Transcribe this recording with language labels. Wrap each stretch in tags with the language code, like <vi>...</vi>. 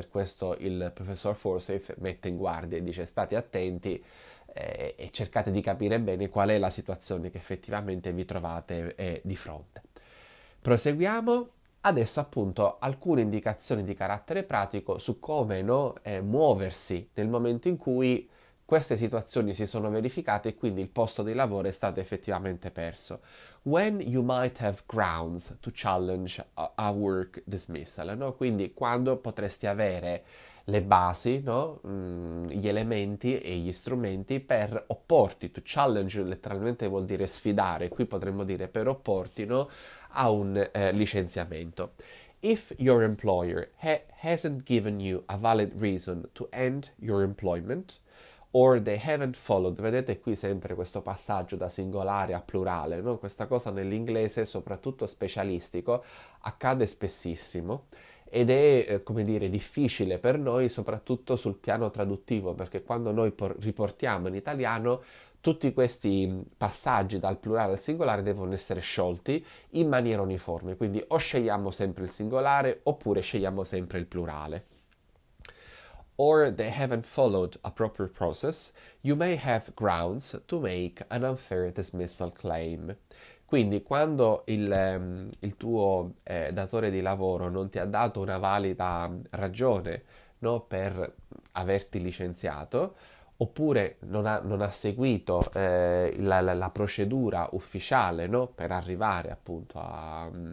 <it>Per questo il professor Forsyth mette in guardia e dice: state attenti e cercate di capire bene qual è la situazione che effettivamente vi trovate di fronte. Proseguiamo. Adesso appunto alcune indicazioni di carattere pratico su come, no, muoversi nel momento in cui queste situazioni si sono verificate e quindi il posto di lavoro è stato effettivamente perso.</it> <en>When you might have grounds to challenge a work dismissal, no?</en> <it>Quindi quando potresti avere le basi, no? Gli elementi e gli strumenti per opporti,</it> <en>to challenge</en> <it>letteralmente vuol dire sfidare, qui potremmo dire per opporti, no? A un licenziamento.</it> <en>If your employer hasn't given you a valid reason to end your employment, or they haven't followed,</en> <it>vedete qui sempre questo passaggio da singolare a plurale, no? Questa cosa nell'inglese, soprattutto specialistico, accade spessissimo. Ed è, come dire, difficile per noi, soprattutto sul piano traduttivo, perché quando noi riportiamo in italiano, tutti questi passaggi dal plurale al singolare devono essere sciolti in maniera uniforme. Quindi o scegliamo sempre il singolare oppure scegliamo sempre il plurale.</it> <en>Or they haven't followed a proper process, you may have grounds to make an unfair dismissal claim.</en> <it>Quindi quando il tuo datore di lavoro non ti ha dato una valida ragione, no, per averti licenziato, oppure non ha seguito la procedura ufficiale, no, per arrivare appunto a</it>